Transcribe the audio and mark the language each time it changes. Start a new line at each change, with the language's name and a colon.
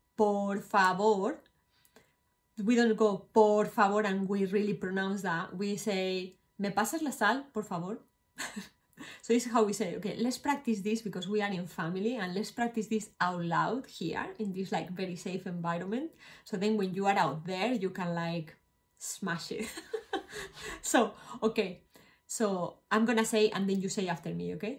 English: por favor. We don't go por favor and we really pronounce that. We say,
Spanish: ¿me pasas la sal, por favor?
English: So this is how we say, okay, let's practice this because we are in family and let's practice this out loud here in this like very safe environment. So then when you are out there, you can like smash it. So, okay. So I'm gonna say and then you say after me, okay?